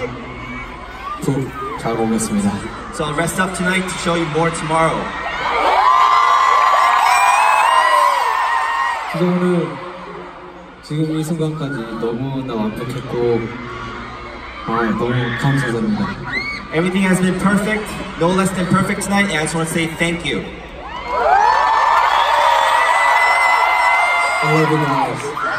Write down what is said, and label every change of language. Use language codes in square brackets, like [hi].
[ko] 더 컨디션 관리도 잘하고 잘 보겠습니다. [en] So I'll rest up tonight to show you more tomorrow. [ko] 오늘 지금 이 순간까지 너무나 완벽했고 너무 감사드립니다. [en] Everything has been perfect, no less than perfect tonight, and I just want to say thank you. I love you guys.